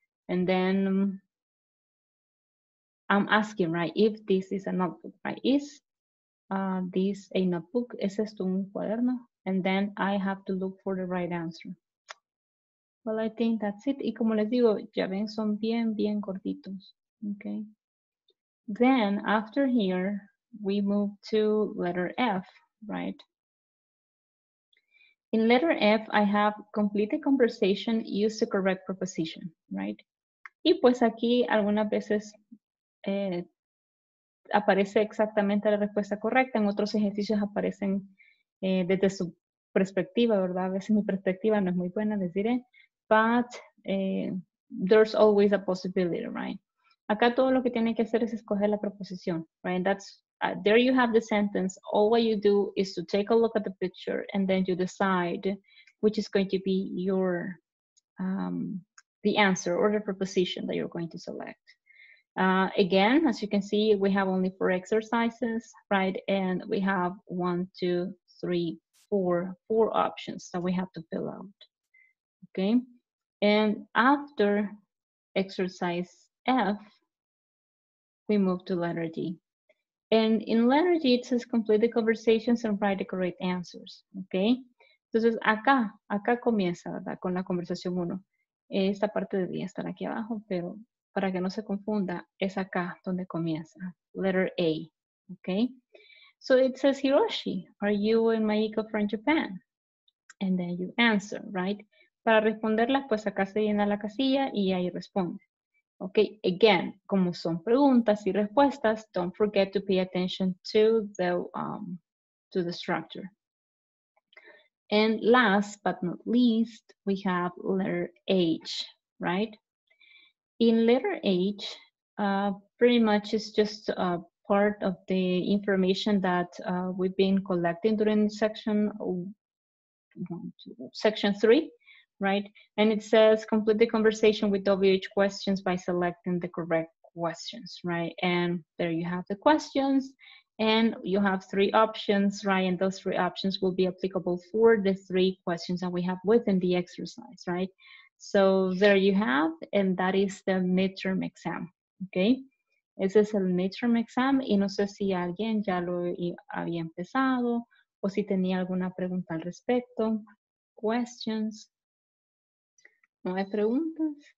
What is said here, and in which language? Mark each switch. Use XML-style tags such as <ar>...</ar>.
<en>And then I'm asking, right, if this is a notebook. Right, is this a notebook?</en> <es>¿Es esto un cuaderno?</es> <en>And then I have to look for the right answer. Well, I think that's it.</en> <es>Y como les digo, ya ven, son bien, bien cortitos.</es> <en>Ok. Then, after here, we move to letter F, right? In letter F, I have complete the conversation, use the correct preposition, right?</en> <es>Y pues aquí algunas veces aparece exactamente la respuesta correcta. En otros ejercicios aparecen desde su perspectiva, ¿verdad? A veces mi perspectiva no es muy buena, les diré.</es> <en>But there's always a possibility, right?</en> <es>Acá todo lo que tiene que hacer es escoger la preposición, right?</es> <en>That's, there you have the sentence. All what you do is to take a look at the picture and then you decide which is going to be your, the answer or the preposition that you're going to select. Again, as you can see, we have only four exercises, right? And we have one, two, three, four options that we have to fill out, okay? And after exercise F, we move to letter G. And in letter G, it says complete the conversations and write the correct answers, okay?</en> <es>Entonces, acá comienza, ¿verdad? Con la conversación 1. Esta parte debería estar aquí abajo, pero para que no se confunda, es acá donde comienza.</es> <en>Letter A, okay? So it says, Hiroshi, are you and Maiko from Japan? And then you answer, right?</en> <es>Para responderla, pues acá se llena la casilla y ahí responde.</es> <en>Okay, again,</en> <es>como son preguntas y respuestas,</es> <en>don't forget to pay attention to the structure. And last but not least, we have letter H, right? In letter H, pretty much it's just a part of the information that we've been collecting during section three. Right? And it says complete the conversation with WH questions by selecting the correct questions, right? And there you have the questions and you have three options, right? And those three options will be applicable for the three questions that we have within the exercise, right? So there you have, and that is the midterm exam, okay?</en> <es>Ese es el midterm exam y no sé si alguien ya lo había empezado o si tenía alguna pregunta al respecto, questions. No hay preguntas.</es>